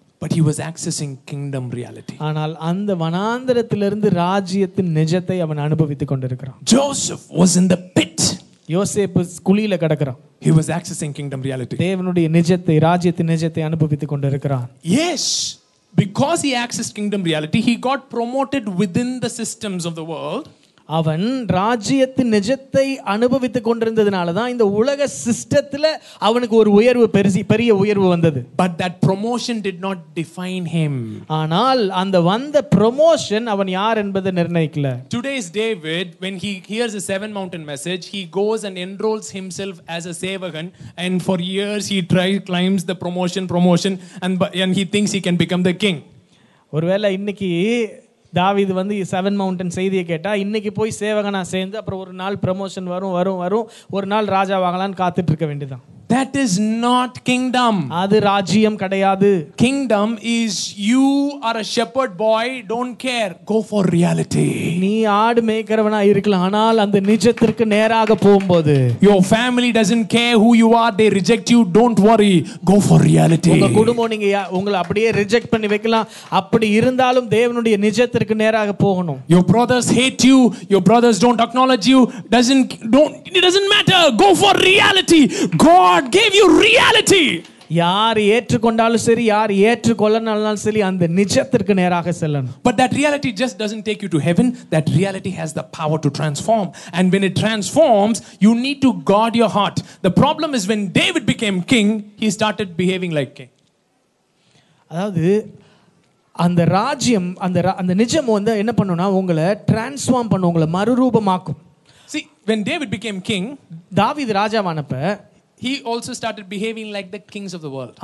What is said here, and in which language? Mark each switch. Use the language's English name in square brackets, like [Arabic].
[English] But he was accessing kingdom reality. [Tamil] ஆனால் அந்த வனாந்திரத்திலிருந்து ராஜ்யத்தின் நிஜத்தை அவன் அனுபவித்துக் கொண்டிருக்கிறான். [English] Joseph was in the pit. [Tamil] யோசேப்பு குழியில கிடக்கிறான். [English] He was accessing kingdom reality. [Tamil] தேவனுடைய நிஜத்தை, ராஜ்யத்தின் நிஜத்தை அனுபவித்துக் கொண்டிருக்கிறான். [English] Yes. Because he accessed kingdom reality, he got promoted within the systems of the world. [Tamil] அவன் ராஜ்யத்தின் நிஜத்தை அனுபவித்துக் கொண்டிருந்ததுனால தான் இந்த உலக சிஸ்டத்துல அவனுக்கு ஒரு உயர்வு, பெரிய உயர்வு வந்தது. [English] But that promotion did not define him. [Tamil] ஆனால் அந்த வந்த promotion அவன் யார் என்பதை நிர்ணயிக்கல. [English] Today's David, when he hears a seven mountain message, he goes and enrolls himself as a sevakan, and for years he tries, climbs the promotion and he thinks he can become the king. [Tamil] ஒருவேளை இன்னைக்கு தாவீது வந்து seven mountain செய்தியை கேட்டா, இன்னைக்கு போய் சேவகனா சேர்ந்து அப்புறம் ஒரு நாள் ப்ரமோஷன் வரும் ஒரு நாள் ராஜா வாங்கலாம்னு காத்துட்டு இருக்க வேண்டியதுதான். [English] That is not kingdom. [Tamil] அது ராஜ்யம் கிடையாது. [English] Kingdom is you are a shepherd boy, don't care, go for reality. [Tamil] நீ ஆடு மேய்க்கிறவனா இருக்கலாம், ஆனால் அந்த நிஜத்திற்கு நேராக போகும்போது, [English] your family doesn't care who you are, they reject you, don't worry, go for reality. [Tamil] உங்க குடும்பம் நீங்க உங்களை அப்படியே ரிஜெக்ட் பண்ணி வைக்கலாம், அப்படி இருந்தாலும் தேவனுடைய நிஜத்திற்கு நேராக போகணும். [English] Your brothers hate you, your brothers don't acknowledge you, it doesn't matter, go for reality. God gave you reality. [Tamil] யார் ஏற்றுக்கொண்டாலும் சரி, யார் ஏற்றுக்கொள்ளனாலும் சரி, அந்த நிஜத்திற்கு நேராக செல்லணும். [English] But that reality just doesn't take you to heaven. That reality has the power to transform. And when it transforms, you need to guard your heart. The problem is when David became king, he started behaving like king. [Tamil] அதாவது அந்த ராஜ்யம், அந்த நிஜம் வந்து என்ன பண்ணுனா, உங்களை transform பண்ணும், உங்களை மறுரூபமாக்கும். [English] See, when David became king, [Tamil] தாவீது ராஜாவானப்ப, [English] he also started behaving like the kings of the world.